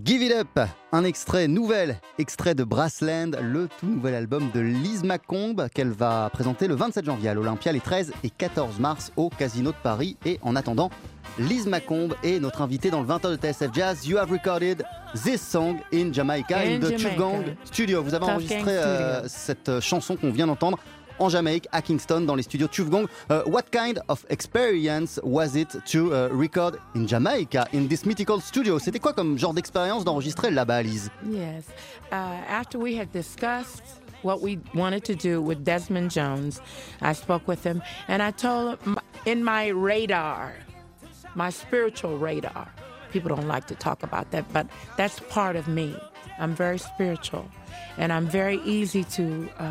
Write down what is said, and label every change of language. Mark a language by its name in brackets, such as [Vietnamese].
[French] Up, un extrait nouvel, extrait de Brassland, le tout nouvel album de Lise Macomb qu'elle va présenter le 27 janvier à l'Olympia, les 13 et 14 mars au Casino de Paris. Et en attendant, Lise Macomb est notre invitée dans le 20h de TSF Jazz. [English] You have recorded this song in Jamaica in the Tugang Studio. [French] Vous avez enregistré cette chanson qu'on vient d'entendre en Jamaïque, à Kingston, dans les studios Tugang. [English] What kind of experience was it to record in Jamaica, in this mythical studio? [French] C'était quoi comme genre d'expérience d'enregistrer là-bas, Lise? [English] Yes. After we had discussed what we wanted to do with Desmond Jones, I spoke with him, and I told him, in my radar, my spiritual radar, people don't like to talk about that, but that's part of me. I'm very spiritual, and I'm very easy to...